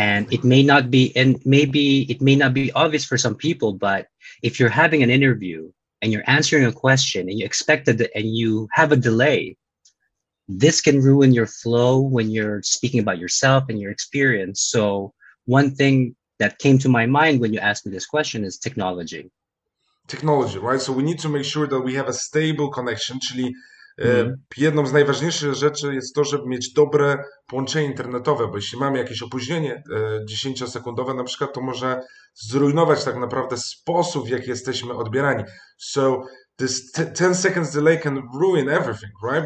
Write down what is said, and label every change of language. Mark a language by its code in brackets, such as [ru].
[en] And it may not be, and maybe it may not be obvious for some people, but if you're having an interview and you're answering a question and you expect that and you have a delay, this can ruin your flow when you're speaking about yourself and your experience. So one thing that came to my mind when you asked me this question is technology. Technology, right? So we need to make sure that we have a stable connection, [pl] czyli jedną z najważniejszych rzeczy jest to, żeby mieć dobre połączenie internetowe, bo jeśli mamy jakieś opóźnienie 10-sekundowe na przykład, to może zrujnować tak naprawdę sposób, w jaki jesteśmy odbierani. [en] So this 10 seconds delay can ruin everything, right?